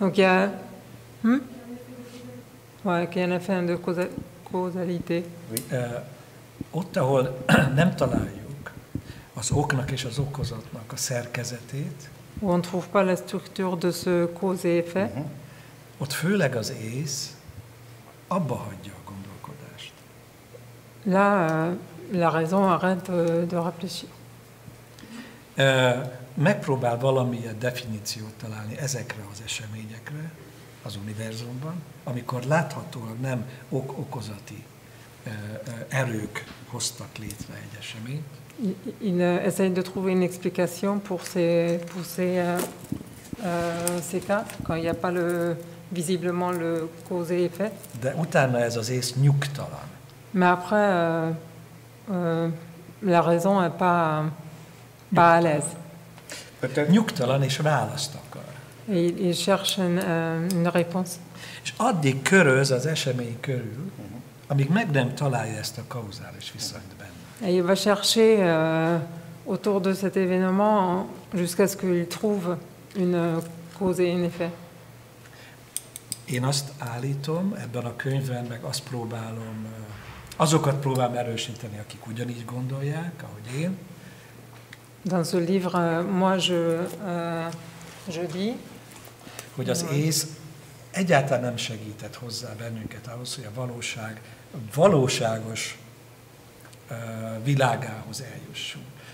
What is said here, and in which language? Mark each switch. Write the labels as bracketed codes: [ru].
[fr] Donc il y a qu'il y a un effet de causalité. Oui. [hu] Ott, ahol nem találjuk az oknak és az okozatnak a szerkezetét, [fr] où on ne trouve pas la structure de ce cause et effet. [hu] Ott főleg az ész abba hagyja a gondolkodást. [fr] Là, la raison arrête de réfléchir. [hu] Megpróbál valamilyen definíciót találni ezekre az eseményekre az univerzumban, amikor láthatóan nem okozati erők hoztak létre egy eseményt. [fr] Il essaye de trouver une explication pour ces cas quand il n'y a pas visiblement le cause et effet. [hu] De utána ez az ész nyugtalan. [fr] Mais après, la raison n'est pas à l'aise. [hu] Nyugtalan és választ akar. [fr] Il cherche une réponse. [hu] És addig köröz az esemény körül, amíg meg nem találja ezt a kauzális viszonyt. [fr] Et il va chercher autour de cet événement jusqu'à ce qu'il trouve une cause et un effet. [hu] Én azt állítom, ebben a könyvben meg azt próbálom, azokat próbálom erősíteni, akik ugyanígy gondolják, ahogy én. [fr] Dans ce livre, moi je dis, [hu] hogy az ész egyáltalán nem segített hozzá bennünket ahhoz, hogy a valóság valóságos világához eljussunk.